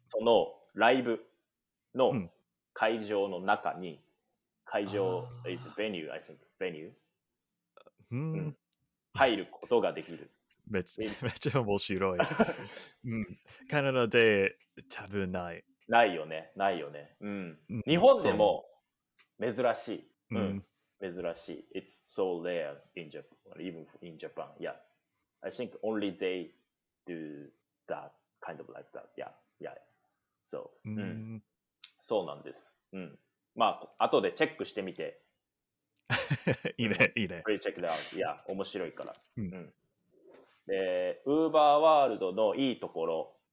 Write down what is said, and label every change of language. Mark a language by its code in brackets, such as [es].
[ja] そのライブの会場の中に、会場、うん、 [en] is venue, I think, venue.、 [ja] うんうん、入ることができる。めっちゃ面白い。うん、カナダで多分ない。ないよね、ないよね。うん。うん、日本でも珍しい。うん。うん、珍しい。 [en] It's so rare in Japan, even in Japan. Yeah. I think only they do that kind of like that. Yeah, yeah. So, [ja] うん。そうなんです。うん。まあ、後でチェックしてみて。いいね、いいね。 [en] Please check it out. Yeah, [ja] 面白いから。うん。うん、ウーバーワールドのいいところ、